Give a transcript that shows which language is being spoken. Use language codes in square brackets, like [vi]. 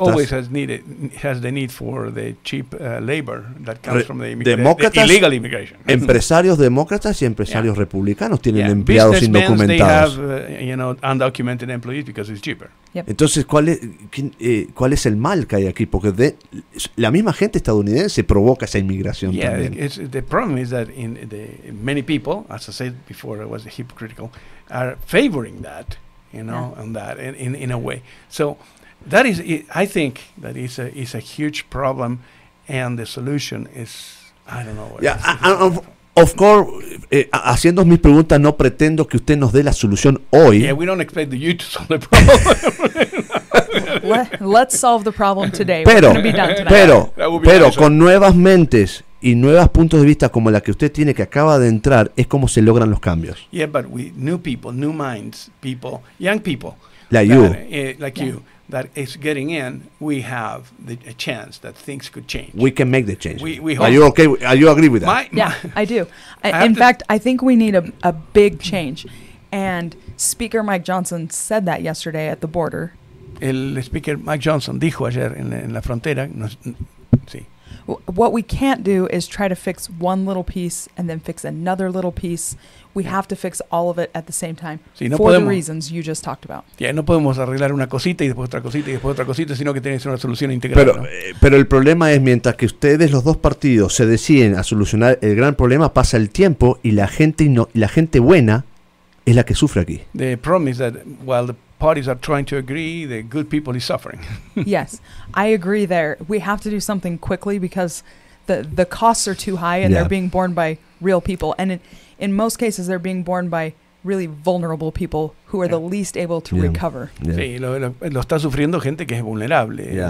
[en] US always has the need for the cheap labor that comes from the illegal immigration. [es] Empresarios demócratas y empresarios republicanos tienen empleados indocumentados. [en] Undocumented employees because it's cheaper. Yep. [es] Entonces, ¿cuál es el mal que hay aquí? Porque la misma gente estadounidense provoca esa inmigración también. [en] Yeah, the problem is that many people, as I said before, it was hypocritical, are favoring that, on that in a way. So that is, I think, that is a huge problem, and the solution is, I don't know. Of course, [es] haciendo mis preguntas, no pretendo que usted nos dé la solución hoy. [en] Yeah, we don't expect you to solve the problem. Let's solve the problem today. [es] Pero, [en] we're gonna be done tonight. [es] Pero con nuevas mentes y nuevos puntos de vista como la que usted tiene, que acaba de entrar, es como se logran los cambios. [en] Yeah, but with new people, new minds, people, young people. Like you. That is getting in, we have a chance that things could change. We can make the change. We hope. Are you okay? Are you agree with that? I do. In fact, I think we need a big change. And Speaker Mike Johnson said that yesterday at the border. [es] El Speaker Mike Johnson dijo ayer en la frontera. Sí. [en] What we can't do is try to fix one little piece and then fix another little piece. We have to fix all of it at the same time for the reasons you just talked about. [es] Yeah, no podemos arreglar una cosita y después otra cosita y después otra cosita, sino que tiene que ser una solución integral. Pero, ¿no? Pero el problema es, mientras que ustedes, los dos partidos, se deciden a solucionar el gran problema, pasa el tiempo y la gente buena es la que sufre aquí. [en] The problem is that while the parties are trying to agree, the good people is suffering. Yes, I agree there. We have to do something quickly because the costs are too high, and they're being borne by real people. And in most cases, they're being borne by really vulnerable people who are the least able to recover. [es] Sí, lo está sufriendo gente que es vulnerable.